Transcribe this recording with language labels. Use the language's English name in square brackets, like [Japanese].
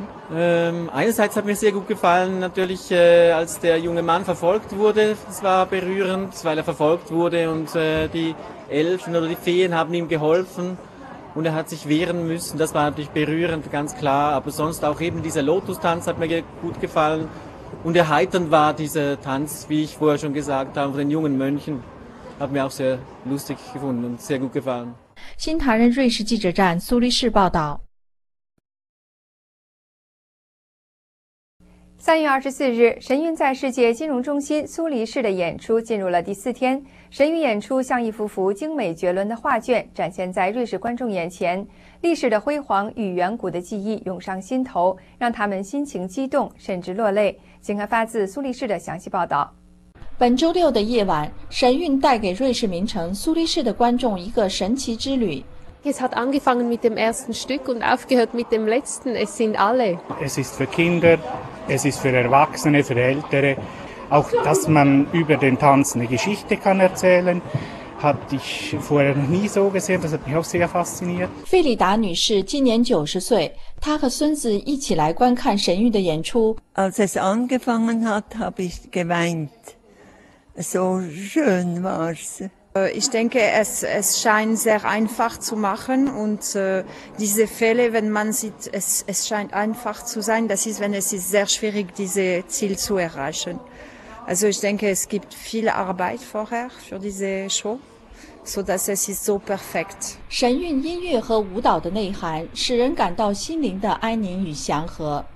[German] Einerseits hat mir sehr gut gefallen, natürlich als der junge Mann verfolgt wurde, das war berührend, weil er verfolgt wurde und die Elfen oder die Feen haben ihm geholfen. und er hat sich wehren müssen. Das war natürlich berührend, ganz klar. Aber sonst auch eben dieser Lotus-Tanz hat mir gut gefallen. Und erheiternd war dieser Tanz, wie ich vorher schon gesagt habe, von den jungen Mönchen. Hat mir auch sehr lustig gefunden und sehr gut gefallen. [Chinese] 新唐人瑞士记者站苏黎世报道。 3月24日，神韵在世界金融中心苏黎世的演出进入了第四天。神韵演出像一幅幅精美绝伦的画卷，展现在瑞士观众眼前。历史的辉煌与远古的记忆涌上心头，让他们心情激动，甚至落泪。请看发自苏黎世的详细报道。本周六的夜晚，神韵带给瑞士名城苏黎世的观众一个神奇之旅。 [German] Es hat angefangen mit dem ersten Stück und aufgehört mit dem letzten. Es sind alle. Es ist für Kinder, es ist für Erwachsene, für Ältere. Auch, dass man über den Tanz eine Geschichte kann erzählen, hatte ich vorher noch nie so gesehen. Das hat mich auch sehr fasziniert. [Chinese] 费里达女士今年90岁，她和孙子一起来观看神韵的演出。 [German] Als es angefangen hat, habe ich geweint. So schön war's. Ich denke, es scheint sehr einfach zu machen und diese Fälle, wenn man sieht, es scheint einfach zu sein, das ist, wenn es ist sehr schwierig, diese Ziel zu erreichen. Also ich denke, es gibt viel Arbeit vorher für diese Show, so dass es ist so perfekt. [Chinese] 神韵音乐和舞蹈的内涵使人感到心灵的安宁与祥和。